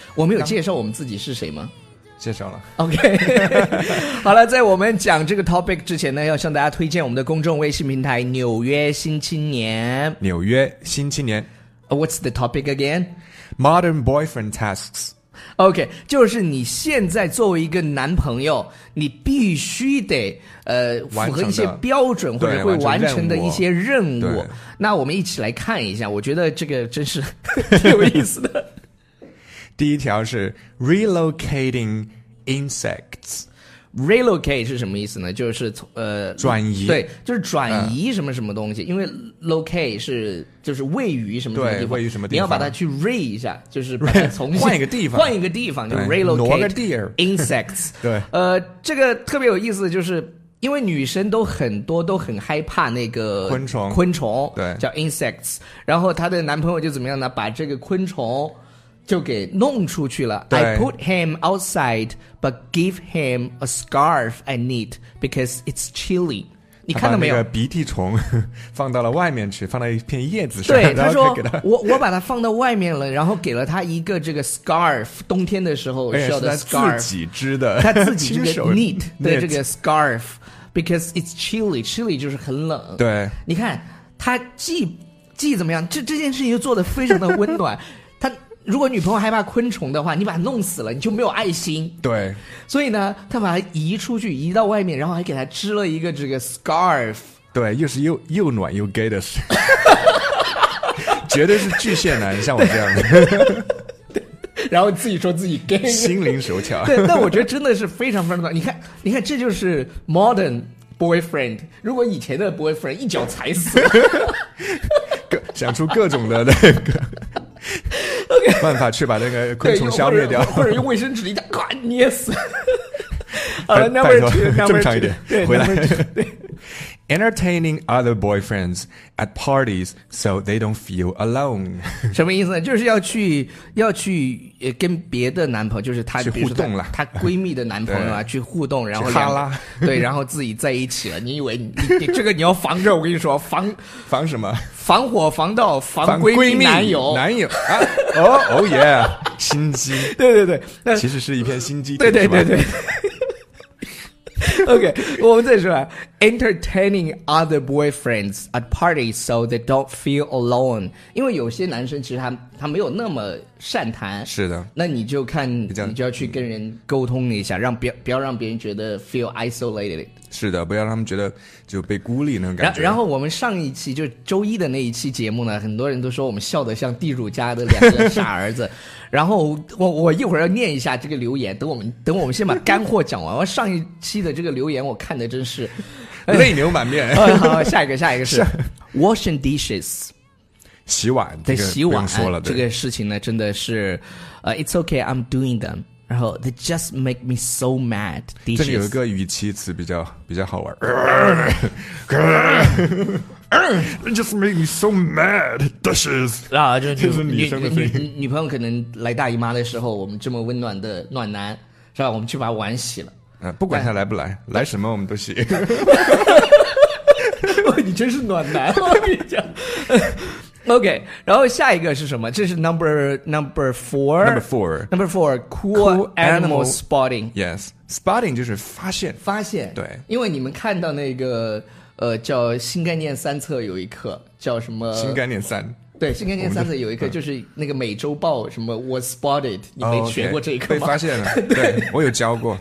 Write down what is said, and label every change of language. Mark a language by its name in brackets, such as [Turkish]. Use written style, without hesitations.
[Chinese] 我们有介绍我们自己是谁吗？介绍了 OK 好了，在我们讲这个 topic 之前呢，要向大家推荐我们的公众微信平台纽约新青年。纽约新青年 [English] What's the topic again? Modern boyfriend tasks [Chinese] OK 就是你现在作为一个男朋友，你必须得符合一些标准，或者会完成的一些任务。那我们一起来看一下，我觉得这个真是挺有意思的。第一条是 relocating insects。 relocate 是什么意思呢？就是转移。对，就是转移什么什么东西，因为 locate 是就是位于什么什么地方，位于什么地方，你要把它去 re 一下，就是把它重新换一个地方，换一个地方，就 relocate 挪个地儿 [English] insects。 [Chinese] 对，这个特别有意思，就是因为女生都很多都很害怕那个昆虫，对，叫 insects。然后她的男朋友就怎么样呢？把这个昆虫就给弄出去了。 [English] I put him outside but give him a scarf I need because it's chilly。 [Chinese] 你看到没有，他把那个鼻涕虫放到了外面去，放到一片叶子上。对，他说我把它放到外面了，然后给了他一个这个 scarf， 冬天的时候需要的 scarf。他自己织的，他自己这个 knit 的这个 scarf [English] because it's chilly。 [Chinese] chilly 就是很冷。对，你看他既怎么样，这件事情就做得非常的温暖。如果女朋友害怕昆虫的话，你把它弄死了，你就没有爱心。对，所以呢，他把它移出去，移到外面，然后还给他织了一个这个 scarf。对，又是又暖又 gay 的事，绝对是巨蟹男，像我这样的。然后自己说自己 gay，心灵手巧。对，但我觉得真的是非常非常暖。你看，这就是 modern boyfriend。如果以前的 boyfriend 一脚踩死了，想出各种的那个。办法去把那个昆虫消灭掉，或者用卫生纸一下咔捏死。好了，number two，正常一点，回来。对 [English] ，entertaining other boyfriends at parties so they don't feel alone。 [Chinese] 什么意思呢？就是要去跟别的男朋友，就是她去互动了，她闺蜜的男朋友啊，去互动，然后哈拉，对，然后自己在一起了。你以为你这个你要防着？我跟你说，防什么？防火防盗防闺蜜男友男友啊。哦哦耶，心机。对对对，那其实是一片心机。对对对对。 [English] OK， [Chinese] 我们再说 [English] ，entertaining other boyfriends at parties so they don't feel alone。 [Chinese] 因为有些男生其实他没有那么善谈。是的。那你就看，你就要去跟人沟通一下，不要让别人觉得 [English] feel isolated。 [Chinese] 是的，不要让他们觉得就被孤立那种感觉。然后我们上一期就周一的那一期节目呢，很多人都说我们笑得像地主家的两个傻儿子。然后我一会儿要念一下这个留言，等我们先把干货讲完。上一期的这个留言我看的真是泪流满面。好，下一个是washing dishes，洗碗。对，洗碗不用说了。对，这个事情呢真的是 [English] it's okay I'm doing them。 [Chinese] 然后 [English] they just make me so mad。 [Chinese] 这里有一个语气词比较好玩。 [English] Just make me so mad dishes。 [Chinese] 啊，就是女生的声音。女朋友可能来大姨妈的时候，我们这么温暖的暖男是吧，我们去把碗洗了。不管她来不来，来什么我们都洗。你真是暖男，我跟你讲。 OK， 然后下一个是什么？这是 number four cool animal spotting。 Yes， spotting 就是发现。对，因为你们看到那个叫新概念三册有一课叫什么新概念三，对，新干线三色有一颗，就是那个美洲豹什么 was spotted， 你没学过这一颗吗？被发现了，对，我有教过，